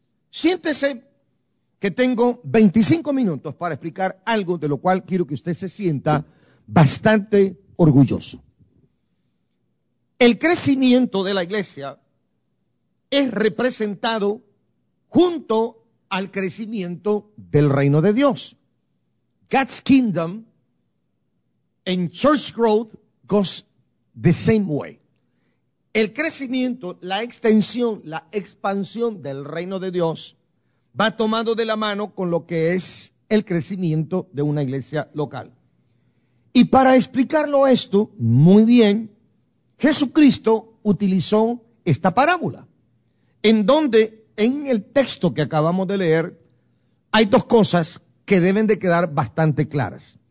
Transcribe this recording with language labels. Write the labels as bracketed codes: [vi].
[es] Siéntese que tengo 25 minutos para explicar algo de lo cual quiero que usted se sienta bastante orgulloso. El crecimiento de la iglesia es representado junto al crecimiento del reino de Dios. [en] God's kingdom and church growth goes the same way. [es] El crecimiento, la extensión, la expansión del reino de Dios va tomado de la mano con lo que es el crecimiento de una iglesia local. Y para explicarlo esto muy bien, Jesucristo utilizó esta parábola, en donde en el texto que acabamos de leer hay dos cosas que deben de quedar bastante claras.